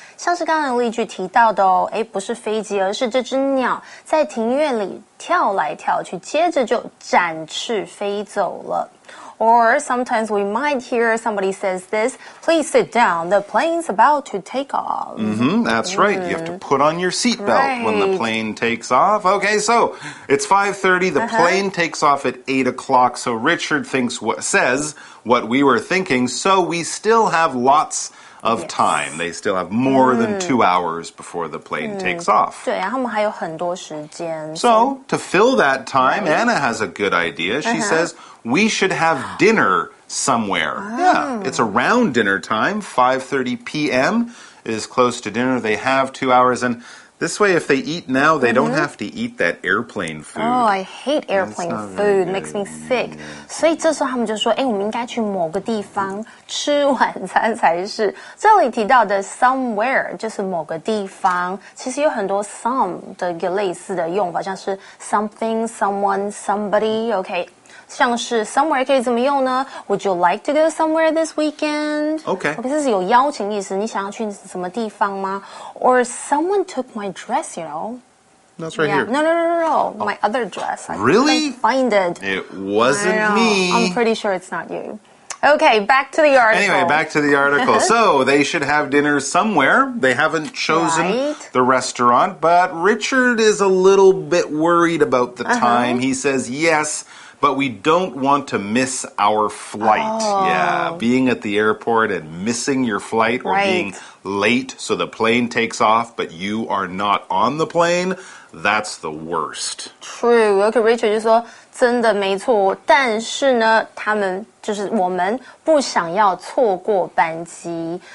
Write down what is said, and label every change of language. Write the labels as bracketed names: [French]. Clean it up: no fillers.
[Chinese] 像是刚刚的例句提到的哦，诶，不是飞机，而是这只鸟在庭院里跳来跳去，接着就展翅飞走了。 [English] Or sometimes we might hear somebody says this, please sit down, the plane's about to take off. Mm-hmm, that's right. You have to put on your seatbelt when the plane takes off. Okay, so it's 5:30, the plane takes off at 8 o'clock, so Richard says what we were thinking, so we still have lots of time. They still have more than 2 hours before the plane takes off. [Chinese] 对啊，他们还有很多时间。 [English] So, to fill that time, Anna has a good idea. She says, we should have dinner somewhere. Yeah, it's around dinner time. 5:30 p.m. is close to dinner. They have 2 hours. And this way, if they eat now, they don't have to eat that airplane food. Oh, I hate airplane food. Makes me sick. [Chinese] 所以这时候他们就说，诶，我们应该去某个地方吃晚餐才是。这里提到的 somewhere 就是某个地方。其实有很多 some 的一个类似的用法，像是 something, someone, somebody, okay. 像是 somewhere 可以怎么用呢 [English] ？Would you like to go somewhere this weekend? Okay. [Chinese] Okay, 这是有邀请意思。你想要去什么地方吗 ？ [English] Or someone took my dress, you know? That's right here. No. Oh. My other dress. Really? I find it. It wasn't me. I'm pretty sure it's not you. Okay, back to the article. Anyway, back to the article. So they should have dinner somewhere. They haven't chosen the restaurant, but Richard is a little bit worried about the time. He says yes. But we don't want to miss our flight. Yeah, being at the airport and missing your flight or being late so the plane takes off but you are not on the plane, that's the worst. True. Okay, Richard [Chinese] 就说真的没错，但是呢，他们就是我们不想要错过班机。